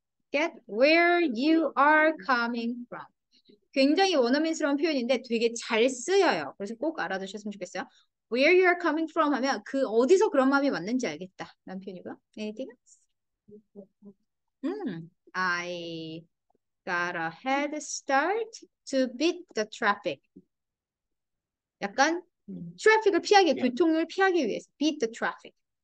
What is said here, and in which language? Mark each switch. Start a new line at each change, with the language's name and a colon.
English: Get where you are coming from.
Korean: 굉장히 원어민스러운 표현인데 되게 잘 쓰여요. 그래서 꼭 알아두셨으면 좋겠어요.
English: Where you are coming from
Korean: 하면 그 어디서 그런 마음이 왔는지 알겠다라는 표현이고요.
English: Anything else? I got a head start to beat the traffic.
Korean: 약간 트래픽을 피하기, 교통을 피하기 위해서
English: beat the traffic.